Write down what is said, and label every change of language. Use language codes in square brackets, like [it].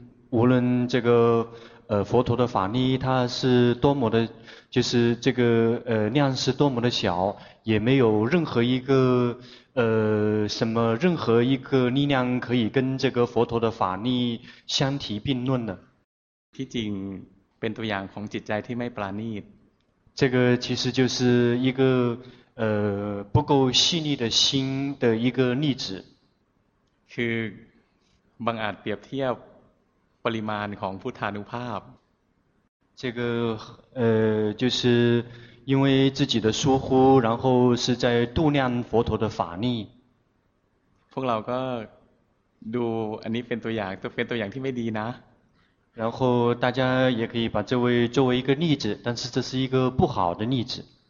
[zh] 无论这个佛陀的法力它是多么的就是这个量是多么的小也没有任何一个什么任何一个力量可以跟这个佛陀的法力相提并论的 [th] ที่จริงเป็นตัวอย่างของจิตใจที่ไม่ปราณีต [zh] 这个其实就是一个不够细腻的心的一个例子 [th] คือบางอาจเปรียบเทียบปริมาณของพุทธานุภาพ [zh] 这个就是因为自己的疏忽然后是在度量佛陀的法力 [th] พวกเราก็ดูอันนี้เป็นตัวอย่างที่ไม่ดีนะ [zh] 然后大家也可以把这位作为一个例子但是这是一个不好的例子